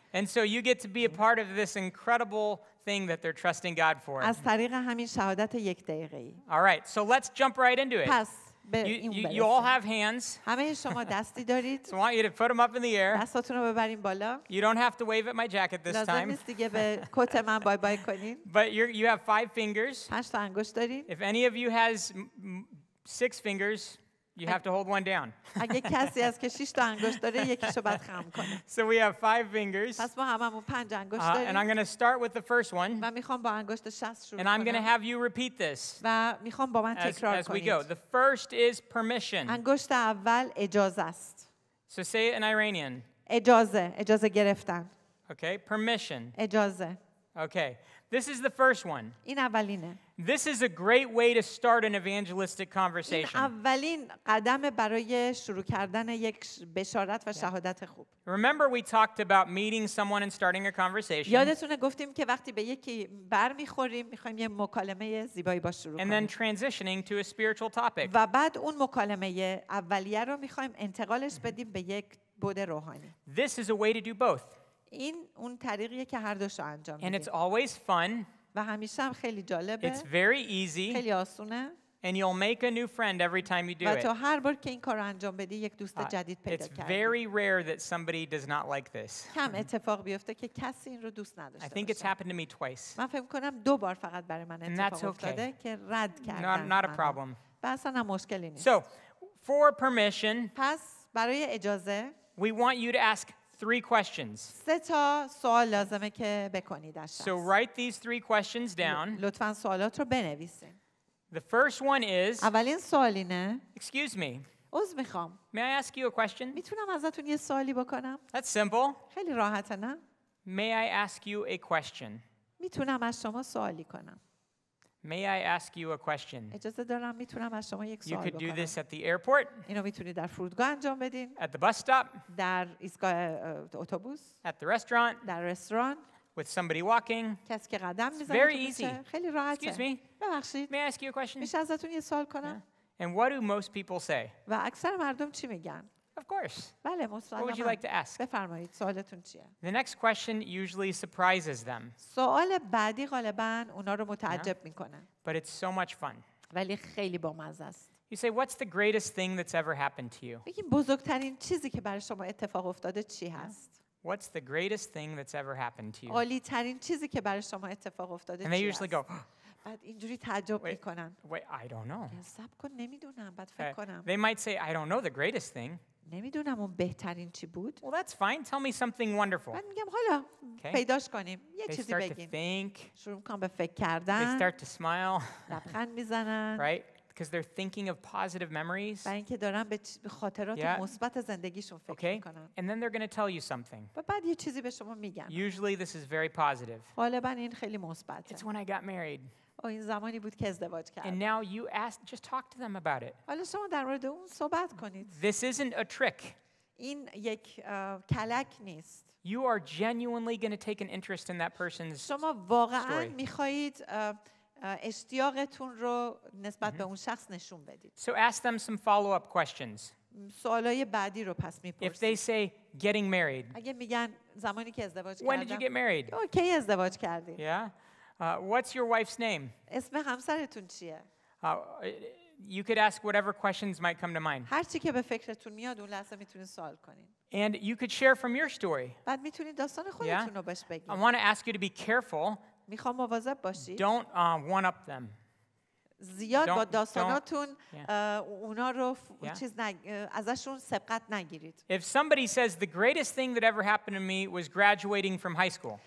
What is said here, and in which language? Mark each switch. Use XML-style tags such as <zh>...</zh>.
<en>And so you get to be a part of this incredible thing that they're trusting God for.</en> <fa>از طریق همین شهادت یک دقیقه‌ای.</fa> <en>All right, so let's jump right into it.</en> <fa>پس</fa> <en>you all have hands.</en> <fa>همه شما دستی دارید.</fa> <en>So I want you to put them up in the air.</en> <fa>دستاتون رو ببرین بالا.</fa> <en>You don't have to wave at my jacket this time.</en> <fa>لازم نیست دیگه به کت من بای بای کنین.</fa> <en>But you have 5 fingers.</en> <fa>5 انگشت دارید.</fa> <en>If any of you has 6 fingers, you have to hold one down.</en> <fa>اگه کسی از که 6 تا انگشت داره یکیشو باید خم کنه.</fa> <en>So we have 5 fingers.</en> <fa>پس ما هممون 5 انگشت داریم.</fa> <en>And I'm going to start with the first one.</en> <fa>من میخوام با انگشت 6 شروع کنم.</fa> <en>And I'm going to have you repeat this.</en> <fa>و میخوام با من تکرار کنید.</fa> <en>As we go, the first is permission.</en> <fa>انگشت اول اجازه است.</fa> <en>So say it in Iranian.</en> <fa>اجازه، اجازه گرفتن.</fa> <en>Okay, permission.</en> <fa>اجازه.</fa> <en>Okay. This is the first one.</en> <fa>این اولینه.</fa> <en>This is a great way to start an evangelistic conversation.</en> <fa>این اولین قدم برای شروع کردن یک بشارت و شهادت خوب.</fa> <en>Remember we talked about meeting someone and starting a conversation.</en> <fa>یادتونه گفتیم که وقتی به یکی برمیخوریم میخوایم یه مکالمه زیبایی با شروع کنیم.</fa> <en>And then transitioning to a spiritual topic.</en> <fa>و بعد اون مکالمه اولیه رو میخوایم انتقالش بدیم به یک بُعد روحانی.</fa> <en>This is a way to do both.</en> <fa>این اون طریقیه که هر دوشو انجام میدیم.</fa> <en>And it's always fun.</en> <fa>و همیشه هم خیلی جالبه.</fa> <en>It's very easy.</en> <fa>خیلی آسونه.</fa> <en>And you'll make a new friend every time you do it.</en> <fa>و تو هر بار که این کار انجام بدی یک دوست جدید پیدا کردی.</fa> <en>It's very rare that somebody does not like this.</en> <fa>کم اتفاق بیفته که کسی این رو دوست نداشته باشه.</fa> <en>I think it's happened to me twice.</en> <fa>من فکر کنم دو بار فقط برای من اتفاق افتاده که رد کردم.</fa> <en>Not a problem.</en> <fa>اصلا نه مشکلی نیست.</fa> <en>So, for permission.</en> <fa>پس برای اجازه.</fa> <en>We want you to ask 3 questions.</en> <fa>سه تا سوال لازمه که بکنید از شخص.</fa> <en>So write these 3 questions down.</en> <fa>لطفاً سوالات رو بنویسین.</fa> <en>The first one is.</en> <fa>اولین سوال اینه.</fa> <en>Excuse me.</en> <fa>عذر میخوام.</fa> <en>May I ask you a question?</en> <fa>میتونم ازتون یه سوالی بکنم؟</fa> <en>That's simple.</en> <fa>خیلی راحته نه؟</fa> <en>May I ask you a question?</en> <fa>میتونم از شما سوالی کنم؟</fa> <en>May I ask you a question?</en> <fa>اجازه دارم میتونم از شما یک سوال بپرسم.</fa> <en>You could do this at the airport.</en> <fa>اینو میتونید در فرودگاه انجام بدین.</fa> <en>At the bus stop.</en> <fa>در ایستگاه اتوبوس.</fa> <en>At the restaurant.</en> <fa>در رستوران.</fa> <en>With somebody walking.</en> <fa>کسی که قدم میزنه.</fa> <en>Very easy.</en> <fa>خیلی راحته.</fa> <en>Excuse me.</en> <fa>ببخشید.</fa> <en>May I ask you a question?</en> <fa>میشه ازتون یه سوال کنم؟</fa> <en>And what do most people say?</en> <fa>و اکثر مردم چی میگن؟</fa> <en>Of course.</en> <fa>بله مطمئنم.</fa> <en>What would you like to ask?</en> <fa>بفرمایید سوالتون چیه؟</fa> <en>The next question usually surprises them.</en> <fa>سوال بعدی غالبا اونا رو متعجب میکنه.</fa> <en>But it's so much fun.</en> <fa>ولی خیلی بامزه است.</fa> <en>You say, what's the greatest thing that's ever happened to you?</en> <fa>بگید بزرگترین چیزی که برای شما اتفاق افتاده چی هست؟</fa> <en>What's the greatest thing that's ever happened to you?</en> <fa>عالی ترین چیزی که برای شما اتفاق افتاده چی هست؟ And بعد اینجوری تعجب میکنن.</fa> <en>Wait, I don't know.</en> <fa>سب کن نمیدونم بعد فکر کنم.</fa> <en>They might say, I don't know the greatest thing.</en> <fa>نمیدونم اون بهترین چی بود.</fa> <en>Well, that's fine. Tell me something wonderful.</en> <fa>من میگم حالا پیداش کنیم. یه چیزی بگین.</fa> <en>They start to think.</en> <fa>شروع میکنم به فکر کردن.</fa> <en>They start to smile.</en> <fa>لبخند میزنن.</fa> <en>Right? Because they're thinking of positive memories.</en> <fa>برای اینکه دارن به خاطرات مثبت زندگیشون فکر میکنن.</fa> <en>And then they're going to tell you something.</en> <fa>بعد یه چیزی به شما میگن.</fa> <en>Usually this is very positive.</en> <fa>غالبا این خیلی مثبته.</fa> <en>It's when I got married.</en> <fa>اوه این زمانی بود که ازدواج کردم.</fa> <en>And now you ask, just talk to them about it.</en> <fa>حالا شما در مورد اون صحبت کنید.</fa> <en>This isn't a trick.</en> <fa>این یک کلک نیست.</fa> <en>You are genuinely going to take an interest in that person's story.</en> <fa>شما واقعا میخواهید اشتیاقتون رو نسبت به اون شخص نشون بدید.</fa> <en>So ask them some follow-up questions.</en> <fa>سوالای بعدی رو پس میپرسید.</fa> <en>If they say getting married.</en> <fa>اگه میگن زمانی که ازدواج کردم.</fa> <en>When did you get married?</en> <fa>کی ازدواج کردی؟</fa> <en>Yeah. What's your wife's name?</en> <fa>اسم همسرتون چیه؟</fa> <en>You could ask whatever questions might come to mind.</en> <fa>هر چی که به فکرتون میاد اون لحظه میتونید سوال کنین.</fa> <en>And you could share from your story.</en> <fa>بعد میتونید داستان خودتون رو بهش بگید.</fa> <en>I want to ask you to be careful.</en> <fa>میخوام مواظب باشید.</fa> <en>Don't one up them.</en> <fa>زیاد با داستاناتون اونا رو چیز ازشون سبقت نگیرید.</fa> <en>If somebody says the greatest thing that ever happened to me was graduating from high school.</en>